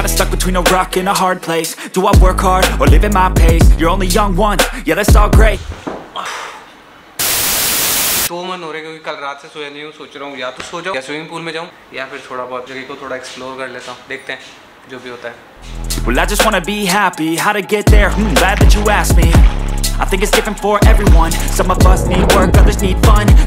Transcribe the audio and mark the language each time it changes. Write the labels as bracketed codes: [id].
[en] Between a rock and a hard place, do I work hard or live at my pace? You're only young once, yeah, that's all great. [hi] तो मन हो रहा है क्योंकि कल रात से सोया नहीं हूँ, सोच रहा हूँ या तो सो जाऊँ या स्विमिंग पूल में जाऊँ या फिर थोड़ा बहुत जगह को थोड़ा एक्सप्लोर कर लेता हूँ, देखते हैं जो भी होता है। [en] Well, I just wanna be happy. How to get there? Glad that you asked me. I think it's different for everyone. Some of us need work, others need fun.